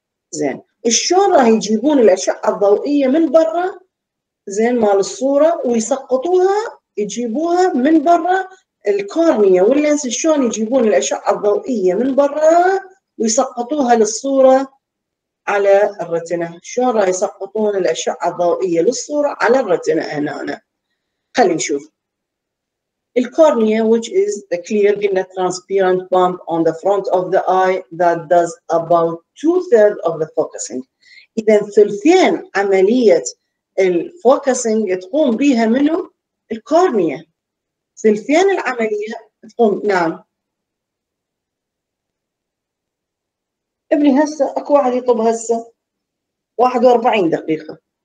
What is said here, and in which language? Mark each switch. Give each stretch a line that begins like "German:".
Arabic: زين، شلون راح يجيبون الأشعة الضوئية من برا زين مال الصورة ويسقطوها، يجيبوها من برا الكورنيا واللينس، شلون يجيبون الأشعة الضوئية من برا ويسقطوها للصورة على الرتنة؟ شلون راح يسقطون الأشعة الضوئية للصورة على الرتنة هنا؟ خلي نشوف.
English: الكورنيا which is the clear retina transparent bump on the front of the eye that does about 2/3 of the focusing.
Arabic: إذا ثلثين عملية الفوكسينج تقوم بها منه الكورنيا. ثلثين العملية تقوم. نعم. ابني هسه أكو واحد يطب هسه 41 دقيقة.